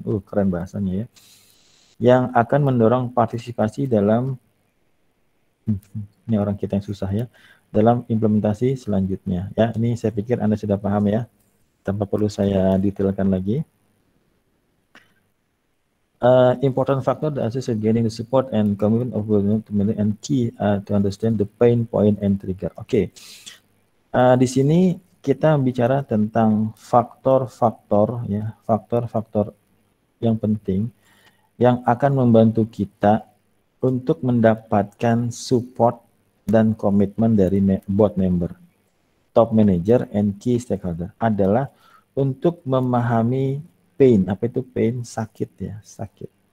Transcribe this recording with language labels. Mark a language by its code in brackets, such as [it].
[id] Keren bahasanya ya. Yang akan mendorong partisipasi dalam, ini orang kita yang susah ya, dalam implementasi selanjutnya. Ya, ini saya pikir Anda sudah paham ya, tanpa perlu saya detailkan lagi. [en] Important factor that assists in gaining the support and commitment of community and key to understand the pain point and trigger. Okay. [id] Di sini kita bicara tentang faktor-faktor ya, faktor-faktor yang penting yang akan membantu kita untuk mendapatkan support dan komitmen dari [en] board member, top manager and key stakeholder [id] adalah untuk memahami pain, apa itu pain, sakit ya, sakit.